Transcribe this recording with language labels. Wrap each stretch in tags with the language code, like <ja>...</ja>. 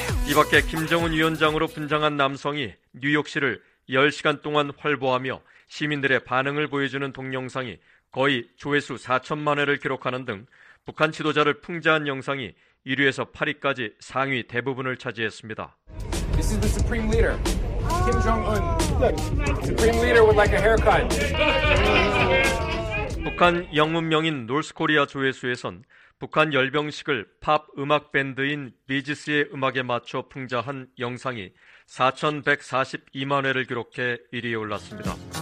<ko>이 밖에 김정은 위원장으로 분장한 남성이 뉴욕시를 10시간 동안 활보하며 시민들의 반응을 보여주는 동영상이 거의 조회수 4천만 회를 기록하는 등 북한 지도자를 풍자한 영상이 1위에서 8위까지 상위 대부분을 차지했습니다.</ko> <en>This is the Supreme Leader, Kim Jong-un. Supreme Leader would like a haircut.</en> <ko>북한 영문명인 노스코리아 조회수에선 북한 열병식을 팝 음악 밴드인 비지스의 음악에 맞춰 풍자한 영상이 4,142만 회를 기록해 1위에 올랐습니다.</ko>